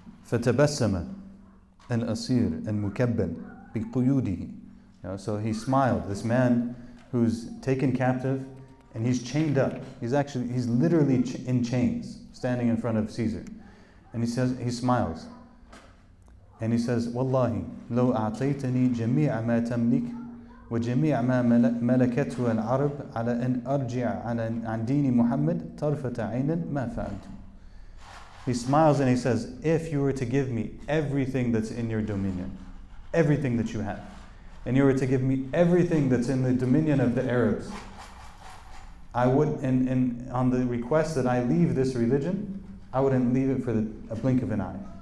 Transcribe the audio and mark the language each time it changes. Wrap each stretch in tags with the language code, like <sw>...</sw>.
<ar>فَتَبَسَّمَ الْأَصِيرُ الْمُكَبَّنُ بِقُيُودِهِ.</ar> <en>You know, so he smiled, this man who's taken captive, and he's chained up. He's literally in chains, standing in front of Caesar. And he smiles. And he says,</en> <ar>"Wallahi, لو أعطيتني جميع ما تملك وجميع ما ملكته العرب على أن أرجع على عن دين محمد طرفة عين ما فعلت."</ar> <en>He smiles and he says, "If you were to give me everything that's in your dominion, everything that you have, and you were to give me everything that's in the dominion of the Arabs, I would, and on the request that I leave this religion, I wouldn't leave it for a blink of an eye."</en>